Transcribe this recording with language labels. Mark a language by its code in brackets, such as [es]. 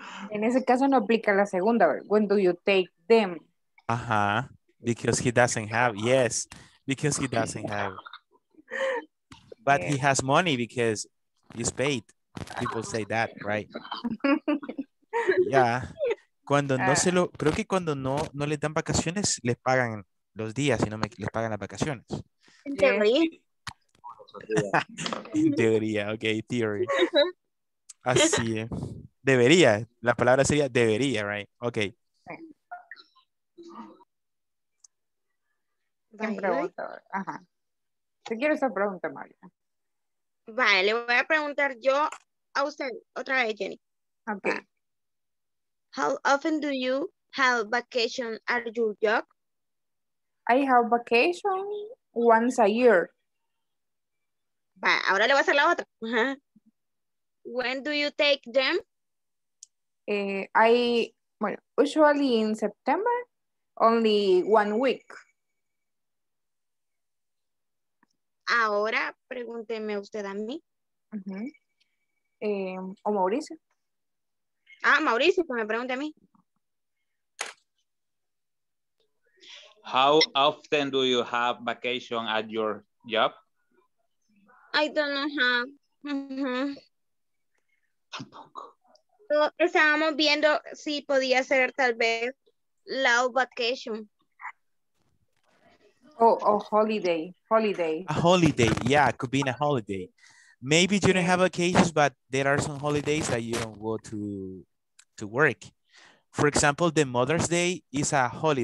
[es] En ese caso no aplica la segunda. [en] When do you take them? Uh-huh. Because he doesn't have, yes. Because he doesn't have. But yeah, he has money because he's paid. People say that, right? [es] Yeah. Cuando no se lo, creo que cuando no le dan vacaciones, le pagan los días y no me les pagan las vacaciones. Debería. Debería, ok, theory. Así es. Debería, la palabra sería debería, right? Ok. Ajá. Te quiero esa pregunta, María. Vale, le voy a preguntar yo a usted otra vez, Jenny. Ok. [en] How often do you have vacation at your job? I have vacation once a year. [es] Vale, ahora le voy a hacer la otra. [en] Uh-huh. When do you take them? Usually in September, only 1 week. [es] Ahora pregúnteme usted a mí. Uh-huh. O Mauricio. Ah, Mauricio, que me pregunte a mí. [en] How often do you have vacation at your job? I don't know how. Uh-huh. [es] Tampoco. Estábamos viendo si podía ser tal vez la vacation. [en] Holiday. A holiday, yeah, it could be in a holiday. Maybe you don't have occasions, but there are some holidays that you don't go to work. For example, the Mother's Day is a holiday.